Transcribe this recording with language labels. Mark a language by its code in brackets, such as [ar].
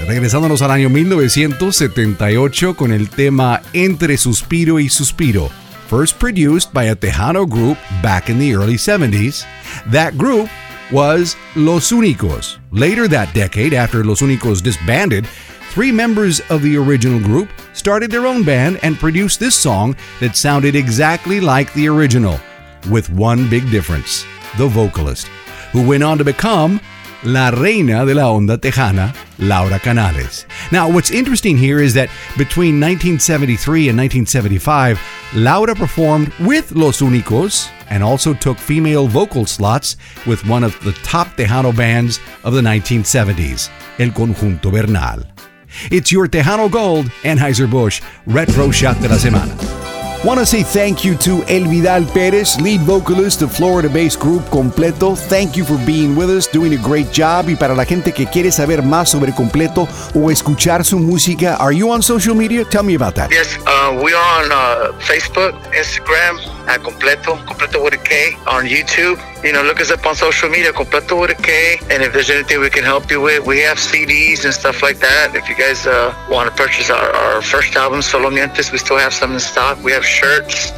[es] Regresándonos al año 1978 con el tema Entre Suspiro y Suspiro. [en] First produced by a Tejano group back in the early 70s. That group was Los Únicos. Later that decade, after Los Únicos disbanded, three members of the original group started their own band and produced this song that sounded exactly like the original, with one big difference. The vocalist, who went on to become La Reina de la Onda Tejana, Laura Canales. Now, what's interesting here is that between 1973 and 1975, Laura performed with Los Únicos and also took female vocal slots with one of the top Tejano bands of the 1970s, El Conjunto Bernal. It's your Tejano Gold, Anheuser-Busch, Retro Shot de la Semana. Want to say thank you to El Vidal Perez, lead vocalist of Florida-based group Completo. Thank you for being with us, doing a great job. [es] Y para la gente que quiere saber más sobre Completo o escuchar su música, [en] are you on social media? Tell me about that. Yes, we are on Facebook, Instagram, at Completo with a K, on YouTube. You know, look us up on social media, Completo with a K. And if there's anything we can help you with, we have CDs and stuff like that. If you guys want to purchase our first album, Solo Mientes, we still have some in stock. We have shirts.